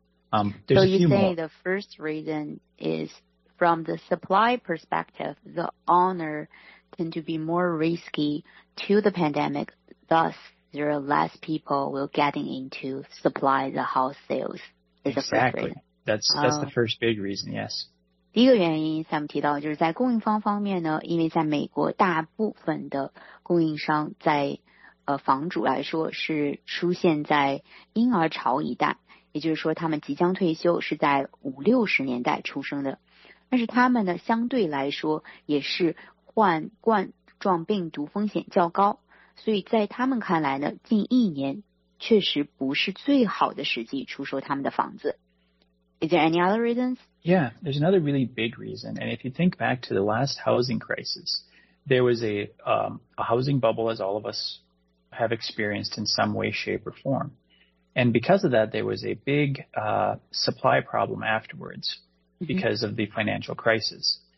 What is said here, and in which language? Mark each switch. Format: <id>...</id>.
<en>So you say the first reason is from the supply perspective, the owner tend to be more risky to the pandemic. Thus, there are less people will getting into supply the house sales. Exactly. That's the first big reason, yes.</en> <zh>第一个原因 Sam 提到就是在供应方方面呢，因为在美国大部分的供应商在房主来说是出现在婴儿潮一代。也就是说他们即将退休，是在五六十年代出生的，但是他们呢相对来说也是患冠状病毒风险较高，所以在他们看来呢，近一年确实不是最好的时机出售他们的房子。</zh> <en>Is there any other reasons? Yeah, there's another really big reason, and if you think back to the last housing crisis, there was a housing bubble as all of us have experienced in some way, shape or formAnd because of that, there was a big supply problem afterwards because of the financial crisis.</en>